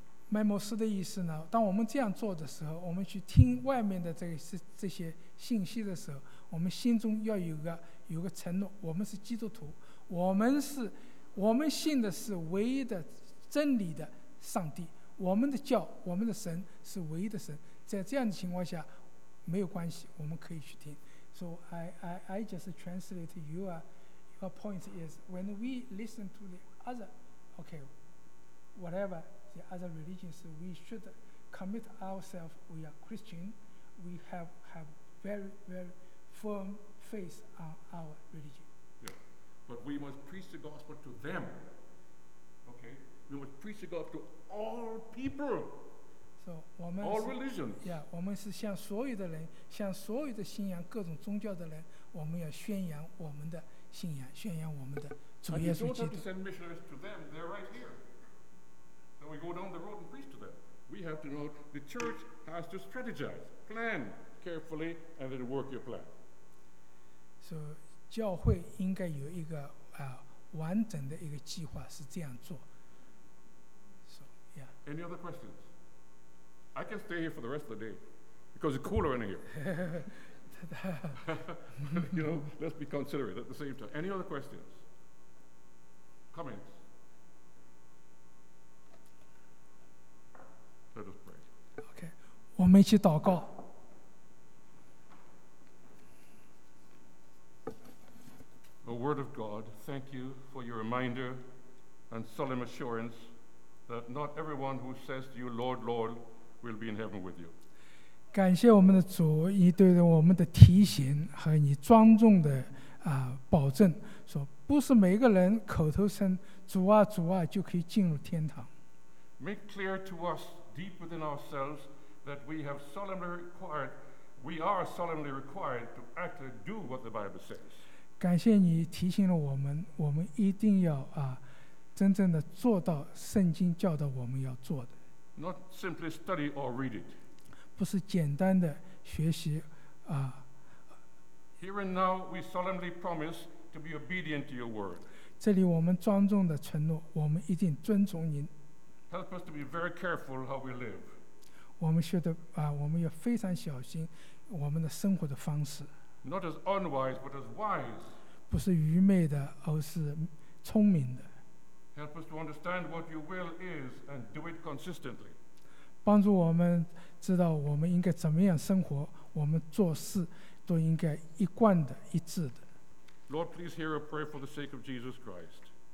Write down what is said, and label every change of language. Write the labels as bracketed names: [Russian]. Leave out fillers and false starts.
[Chinese] 麦牧师的意思呢，当我们这样做的时候，我们去听外面的这些信息的时候，我们心中要有个承诺，我们是基督徒，我们信的是唯一的真理的上帝，我们的教，我们的神是唯一的神，在这样的情况下，没有关系，我们可以去听。 [English] So I just translate your point is when we listen to the other, okay, whatever the other religions, we should commit ourselves, we are Christian, we have very, very firm faith on our religion. Yeah, but we must preach the gospel to them, okay? We must preach the gospel to all people, [Chinese] so, 我们 [English] all religions. [Chinese] Yeah, 我们是向所有的人，向所有的信仰各种宗教的人，我们要宣扬我们的信仰，宣扬我们的 [English] And you don't have to send missionaries to them. They're right here. Then we go down the road and preach to them. We have to know the church has to strategize, plan carefully, and then work your plan. [Chinese] So, 教会应该有一个完整的一个计划是这样做。 [English] So, yeah. Any other questions? I can stay here for the rest of the day because it's cooler in here. You know, let's be considerate at the same time. Any other questions? Comments? Let us [Chinese] 我们一起祷告。 [English] O Word of God, thank you for your reminder and solemn assurance that not everyone who says to you, Lord, Lord, will be in heaven with you. [Chinese] 感谢我们的主，你对我们的提醒和你庄重的保证，说不是每个人口头声主啊主啊就可以进入天堂。 [English] Make clear to us deep within ourselves that we have solemnly required, we are solemnly required to actually do what the Bible says. [Chinese] 感谢你提醒了我们，我们一定要真正的做到圣经教导我们要做的。 [English] Not simply study or read it. [Chinese] 不是简单的学习 [English] Here and now, we solemnly promise to be obedient to your word. [Chinese] 这里我们庄重的承诺，我们一定遵从您。 [English] Help us to be very careful how we live. [Chinese] 我们学的我们要非常小心我们的生活的方式。 [English] Not as unwise, but as wise. [Chinese] 不是愚昧的，而是聪明的。 [English] Help us to understand what your will is and do it consistently. [Chinese] 帮助我们知道我们应该怎么样生活，我们做事都应该一贯的、一致的。 [English] Lord, please hear our prayer for the sake of Jesus Christ.